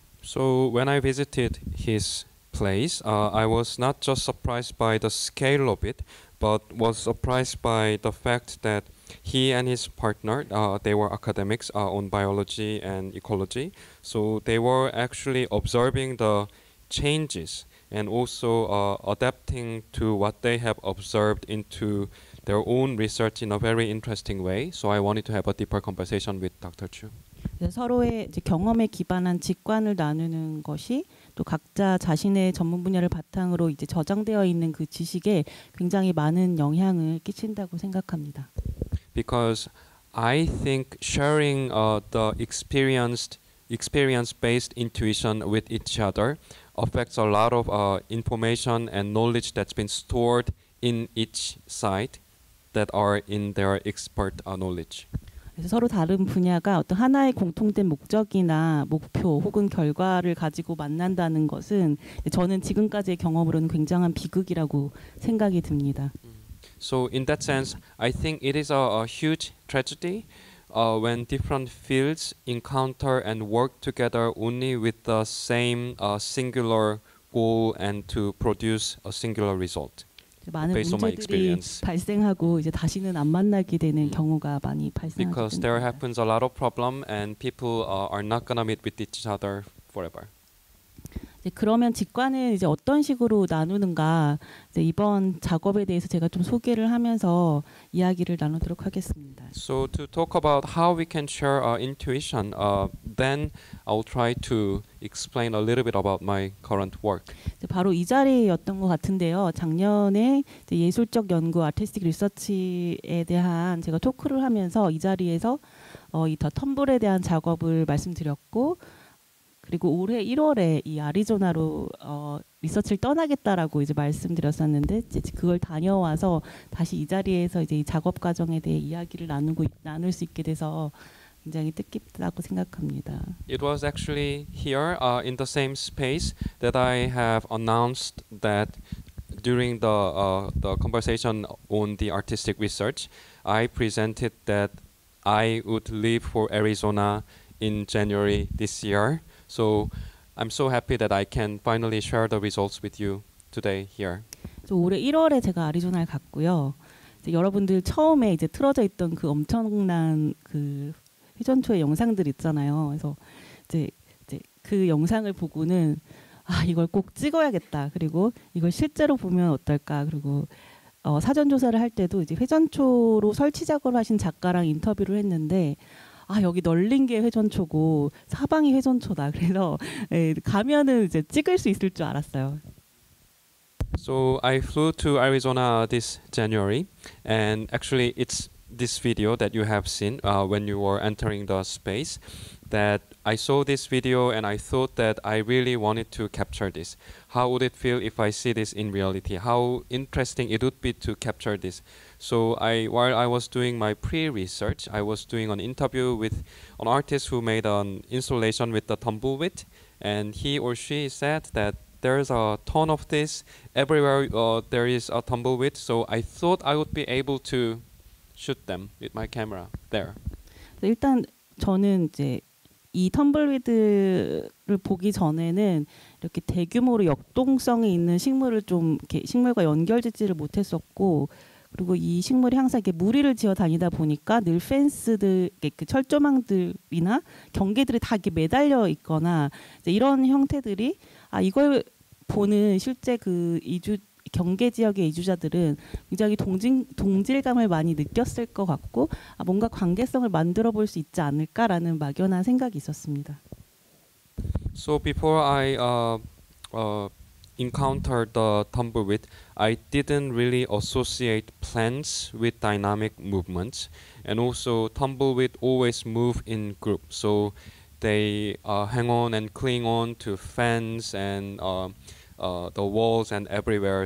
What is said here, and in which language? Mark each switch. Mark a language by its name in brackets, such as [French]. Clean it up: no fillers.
[English] So when I visited his place, I was not just surprised by the scale of it, but was surprised by the fact that he and his partner, they were academics on biology and ecology, so they were actually observing the changes and also adapting to what they have observed into their own research in a very interesting way, so I wanted to have a deeper conversation with Dr. Chu. [Korean] 서로의 이제 경험에 기반한 직관을 나누는 것이 또 각자 자신의 전문 분야를 바탕으로 이제 저장되어 있는 그 지식에 굉장히 많은 영향을 끼친다고 생각합니다. [English] Because I think sharing the experience-based intuition with each other affects a lot of information and knowledge that's been stored in each side that are in their expert knowledge. [Korean] 서로 다른 분야가 어떤 하나의 공통된 목적이나 목표 혹은 결과를 가지고 만난다는 것은 저는 지금까지의 경험으로는 굉장한 비극이라고 생각이 듭니다. [English] So in that sense, I think it is a huge tragedy when different fields encounter and work together only with the same singular goal and to produce a singular result. [Korean] 많은 문제들이 발생하고 이제 다시는 안 만나게 되는 경우가 많이 발생하죠. [English] Because there happens a lot of problem and people are not gonna meet with each other forever. [Korean] 이제 그러면 직관은 이제 어떤 식으로 나누는가? 이제 이번 작업에 대해서 제가 좀 소개를 하면서 이야기를 나누도록 하겠습니다. [English] So to talk about how we can share our intuition, then I'll try to explain a little bit about my current work. [Korean] 바로 이 자리였던 것 같은데요. 작년에 이제 예술적 연구, 아티스틱 리서치에 대한 제가 토크를 하면서 이 자리에서 이 더 텀블에 대한 작업을 말씀드렸고 그리고 올해 1월에 이 아리조나로 리서치를 떠나겠다라고 이제 말씀드렸었는데 이제 그걸 다녀와서 다시 이 자리에서 이제 이 작업 과정에 대해 이야기를 나눌 수 있게 돼서 굉장히 뜻깊다고 생각합니다. [English] It was actually here in the same space that I have announced that during the conversation on the artistic research I presented that I would leave for Arizona in January this year. So I'm so happy that I can finally share the results with you today here. [Korean] 저 올해 1월에 제가 아리조나를 갔고요. 이제 여러분들 처음에 이제 틀어져 있던 그 엄청난 그 휴전초의 영상들 있잖아요. 그래서 이제 그 영상을 보고는 아 이걸 꼭 찍어야겠다. 그리고 이걸 실제로 보면 어떨까. 그리고 사전 조사를 할 때도 이제 회전초로 설치 작업을 하신 작가랑 인터뷰를 했는데 아 여기 널린 게 회전초고 사방이 회전초다. 그래서 예, 가면은 이제 찍을 수 있을 줄 알았어요. [English] So I flew to Arizona this January, and actually it's this video that you have seen when you were entering the space that I saw this video and I thought that I really wanted to capture this. How would it feel if I see this in reality? How interesting it would be to capture this. So I, while I was doing my pre-research, I was doing an interview with an artist who made an installation with the tumbleweed, and he or she said that there's a ton of this everywhere there is a tumbleweed, so I thought I would be able to shoot them with my camera there. [Korean] 일단 저는 이제 이 텀블위드를 보기 전에는 이렇게 대규모로 역동성이 있는 식물을 좀 이렇게 식물과 연결짓지를 못했었고 그리고 이 식물이 항상 이렇게 무리를 지어 다니다 보니까 늘 펜스들, 그 철조망들이나 경계들이 다 이렇게 매달려 있거나 이제 이런 형태들이 아 이걸 보는 실제 그 이주 경계 지역의 이주자들은 굉장히 동질감을 많이 느꼈을 것 같고 아, 뭔가 관계성을 만들어 볼 수 있지 않을까라는 막연한 생각이 있었습니다. [English] So before I encountered the tumbleweed, I didn't really associate plants with dynamic movements, and also tumbleweed always move in group. So they hang on and cling on to fence and the walls and everywhere.